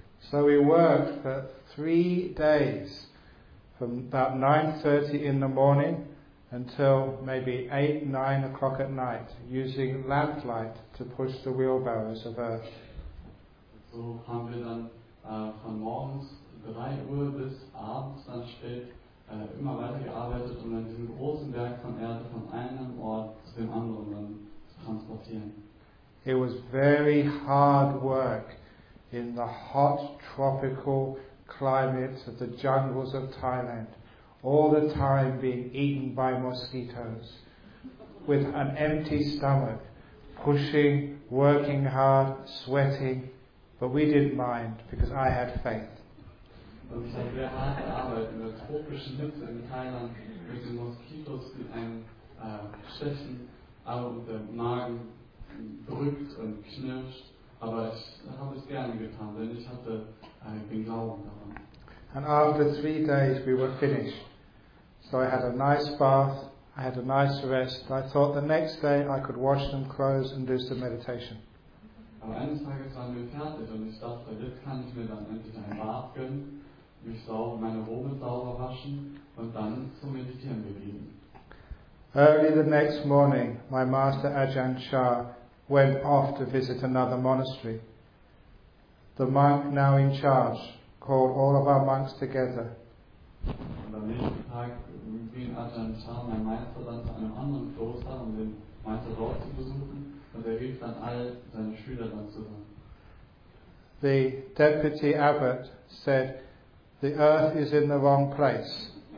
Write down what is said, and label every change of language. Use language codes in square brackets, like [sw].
[en] So we worked for 3 days, from about 9:30 in the morning until maybe 8-9 o'clock at night, using lamplight to push the wheelbarrows of earth. [de] So haben wir dann von morgens 3 Uhr bis abends dann spät immer weiter gearbeitet, um dann diesen großen Berg von Erde von einem Ort zu dem anderen dann zu transportieren. [en] It was very hard work in the hot tropical climate of the jungles of Thailand, all the time being eaten by mosquitoes, with an empty stomach, pushing, working hard, sweating, but we didn't mind because I had faith. [de] Und ich habe sehr harte Arbeit in der tropischen Hitze in Thailand mit den Moskitos in einem Schächen, aber der Magen drückt und knirscht. Aber ich habe es gerne getan, denn ich hatte den Glauben daran. [en] And after 3 days we were finished. So I had a nice bath, I had a nice rest. I thought the next day I could wash some clothes and do some meditation. [de] Aber eines Tages waren wir fertig und ich dachte, jetzt kann ich mir dann endlich ein Bad gönnen, mich sauber, meine Robe sauber waschen und dann zum Meditieren beginnen. [en] Early the next morning, my master Ajahn Chah went off to visit another monastery. The monk now in charge called all of our monks together. [de] Und am nächsten Tag ging Ajahn Chah, mein Meister, dann zu einem anderen Kloster, um den Meister dort zu besuchen, und er rief dann all seine Schüler dann zusammen. [en] The deputy abbot said, "The earth is in the wrong place.